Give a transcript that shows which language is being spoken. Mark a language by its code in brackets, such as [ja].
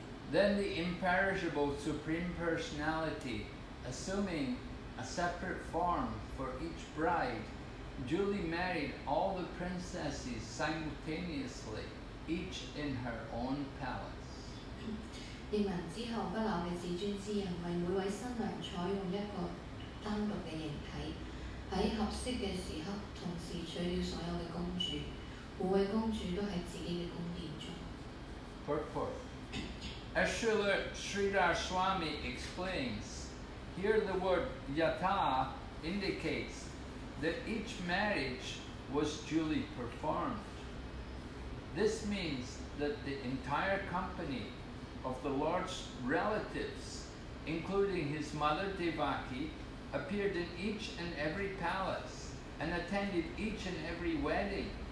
[en] Then the imperishable Supreme Personality, assuming a separate form for each bride, duly married all the princesses simultaneously, each in her own palace. [zh] 译文之后，不朽的至尊之人为每位新娘采用一个单独的形体，在合适的时刻同时娶了所有的公主，每位公主都在自己的宫殿中。 [en] Purport. As Srila Sridhar Swami explains, here the word yatha indicates that each marriage was duly performed. This means that the entire company of the Lord's relatives, including his mother Devaki, appeared in each and every palace and attended each and every wedding.